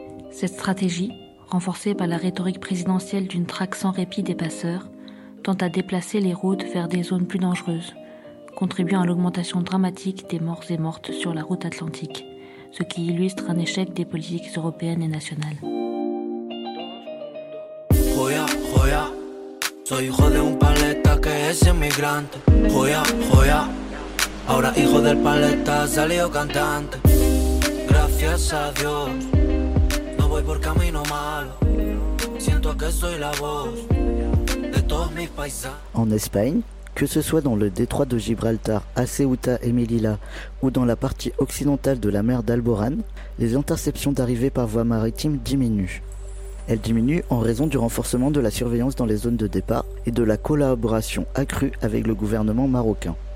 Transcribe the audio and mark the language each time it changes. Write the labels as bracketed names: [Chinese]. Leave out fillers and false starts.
[French] Cette stratégie, renforcée par la rhétorique présidentielle d'une traque sans répit des passeurs, tend à déplacer les routes vers des zones plus dangereuses, contribuant à l'augmentation dramatique des morts et mortes sur la route atlantique, ce qui illustre un échec des politiques européennes et nationales. [Spanish] Joya, joya, soy hijo de un paleta que es emigrante. Joya, joya, ahora hijo del paleta salió cantante. Gracias a Dios, no voy por camino malo. Siento que soy la voz de todos mis paisanos. [French] En Espagne, que ce soit dans le détroit de Gibraltar, à Ceuta et Melilla, ou dans la partie occidentale de la mer d'Alboran, les interceptions d'arrivées par voie maritime diminuent. Elles diminuent en raison du renforcement de la surveillance dans les zones de départ et de la collaboration accrue avec le gouvernement marocain.